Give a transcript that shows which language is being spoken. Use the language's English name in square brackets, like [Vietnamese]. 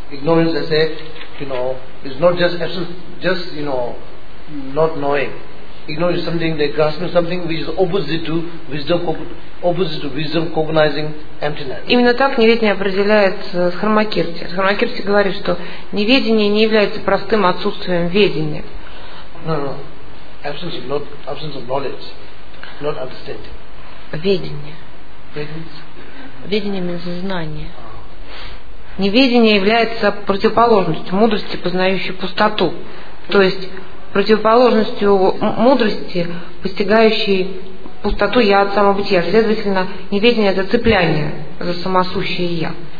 [English] Ignorance, as I said, you know, is not just absence, just, you know, not knowing. ignorance is something, they grasp something which is opposite to wisdom, opposite to wisdom cognizing emptiness. [Russian] Именно так неведение определяет Схармакирти. Схармакирти говорит, что неведение не является простым отсутствием ведения. [English] No. Absence of knowledge, not understanding. [Russian] Ведение. Ведение means знание. Неведение является противоположностью мудрости, познающей пустоту. То есть противоположностью мудрости, постигающей пустоту я от самобытия. Следовательно, неведение – это цепляние за самосущее я.